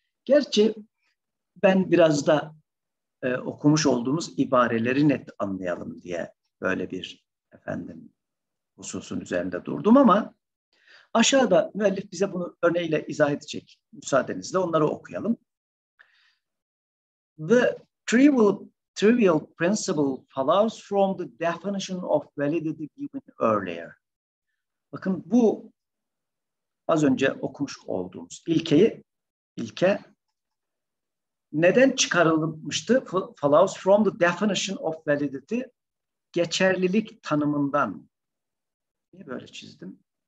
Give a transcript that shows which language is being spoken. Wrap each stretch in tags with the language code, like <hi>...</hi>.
<tr>Gerçi ben biraz da okumuş olduğumuz ibareleri net anlayalım diye böyle bir efendim hususun üzerinde durdum ama aşağıda müellif bize bunu örneğiyle izah edecek. Müsaadenizle onları okuyalım.</tr> <en>The trivial principle follows from the definition of validity given earlier.</en> <tr>Bakın bu az önce okumuş olduğumuz ilke neden çıkarılmıştı?</tr> <en>Follows from the definition of validity,</en> <tr>geçerlilik tanımından. Niye böyle çizdim?</tr>